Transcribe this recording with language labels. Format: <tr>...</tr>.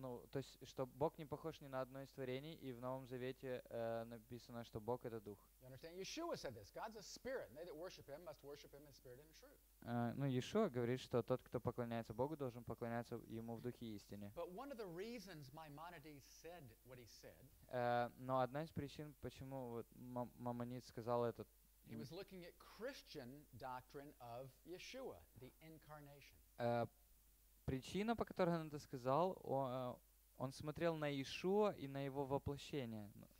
<ru>То есть, что Бог не похож ни на одно из творений, и в Новом Завете написано, что Бог — это Дух.</ru> <en>You understand? Yeshua said this. God's a spirit, and they that worship Him must worship Him in spirit and in truth.</en> <ru>Yeshua говорит, что тот, кто поклоняется Богу, должен поклоняться Ему в Духе и Истине.</ru> <en>But one of the reasons Maimonides said what he said,</en> <ru>но одна из причин, почему вот Маймонид сказал это,</ru> <en>he was looking at Christian doctrine of Yeshua, the incarnation.</en> <ru>Причина, по которой он это сказал, он смотрел на Иешуа и на его воплощение.</ru>